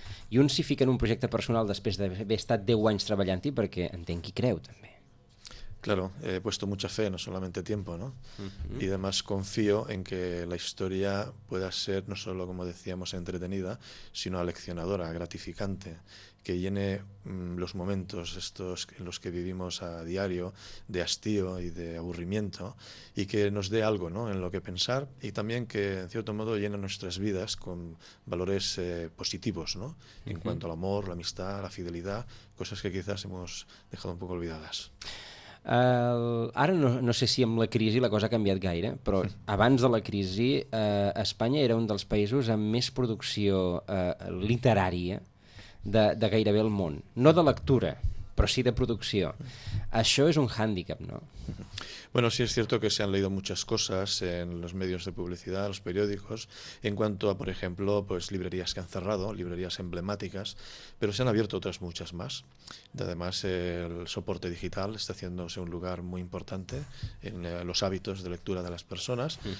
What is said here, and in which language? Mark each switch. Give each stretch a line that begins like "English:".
Catalan: I un s'hi fica en un projecte personal després d'haver estat 10 anys treballant-hi, perquè entenc qui creu, també.
Spanish: Claro, he puesto mucha fe, no solamente tiempo, ¿no? Y además confío en que la historia pueda ser no solo, como decíamos, entretenida, sino aleccionadora, gratificante, que llene los momentos estos en los que vivimos a diario de hastío y de aburrimiento y que nos dé algo, ¿no?, en lo que pensar y también que, en cierto modo, llene nuestras vidas con valores positivos, ¿no?, en cuanto al amor, la amistad, la fidelidad, cosas que quizás hemos dejado un poco olvidadas.
Catalan: Ara no sé si amb la crisi la cosa ha canviat gaire, però abans de la crisi Espanya era un dels països amb més producció literària de gairebé el món. No de lectura, però sí de producció. Això és un hàndicap, no?
Spanish: Bueno, sí, es cierto que se han leído muchas cosas en los medios de publicidad, los periódicos, en cuanto a, por ejemplo, pues librerías que han cerrado, librerías emblemáticas, pero se han abierto otras muchas más. Además, el soporte digital está haciéndose un lugar muy importante en los hábitos de lectura de las personas.